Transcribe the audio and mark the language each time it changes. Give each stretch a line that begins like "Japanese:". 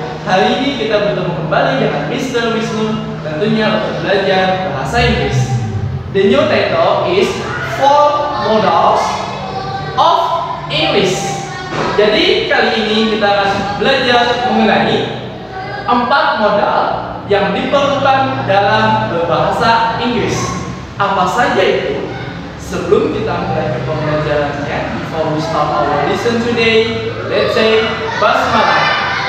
Indonesian: Hari ini kita bertemu kembali dengan Mr. Wisnu, tentunya untuk belajar bahasa Inggris.
English: The new title is Four Modals of English.
Indonesian: Jadi kali ini kita akan belajar mengenai 4 modal yang diperlukan dalam berbahasa Inggris. Apa saja itu? Sebelum kita mulai ke pembelajarannya,
English: before we start our lesson today, let's say basmalah.